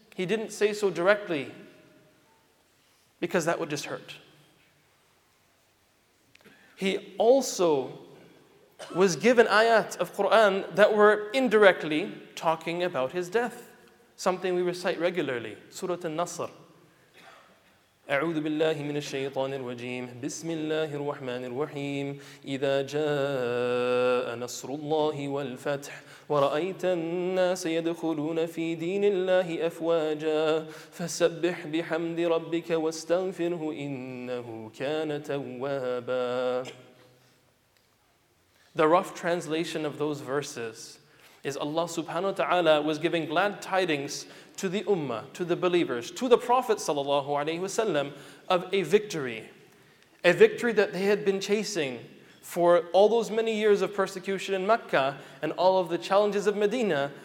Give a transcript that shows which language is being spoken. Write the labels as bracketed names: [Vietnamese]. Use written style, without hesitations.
[English] He didn't say so directly, because that would just hurt. He also was given ayat of Quran that were indirectly talking about his death. Something we recite regularly, Surah An-Nasr. [Arabic] أعوذ بالله من الشيطان الرجيم بسم الله الرحمن الرحيم إذا جاء نصر الله والفتح ورأيت الناس يدخلون في دين الله أفواجا فسبح بحمد ربك واستغفره إنه كان توابا. [English] The rough translation of those verses is Allah subhanahu wa ta'ala was giving glad tidings to the ummah, to the believers, to the Prophet sallallahu alayhi wasallam of a victory that they had been chasing for all those many years of persecution in Mecca and all of the challenges of Medina.